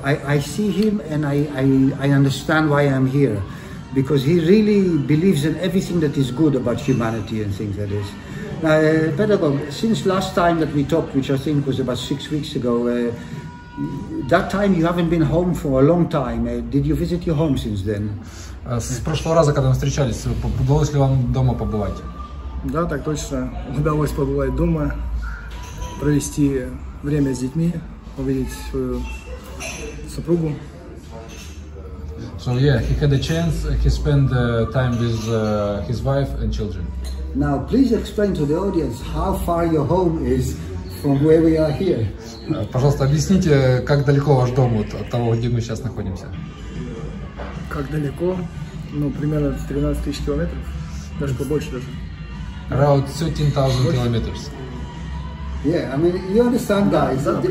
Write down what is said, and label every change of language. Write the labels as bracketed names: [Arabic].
[English] I see him and I understand why I'm here, because he really believes in everything that is good about humanity and things like this. Now, Pedagog, since last time that we talked, which I think was about 6 weeks ago, that time you haven't been home for a long time. Did you visit your home since then? [Russian] С прошлого раза, когда мы встречались, удалось ли вам дома побывать? Да, так точно. Удалось побывать дома, провести время с детьми, увидеть свою супругу. [English] So yeah, he had a chance. He spent time with his wife and children. Now, please explain to the audience how far your home is from where we are here. [Russian] Пожалуйста, объясните, как далеко ваш дом от того, где мы сейчас находимся. Как далеко? Ну, примерно 13 тысяч километров, даже побольше даже. [English] Around 13,000 kilometers. Yeah, I mean, you understand, guys.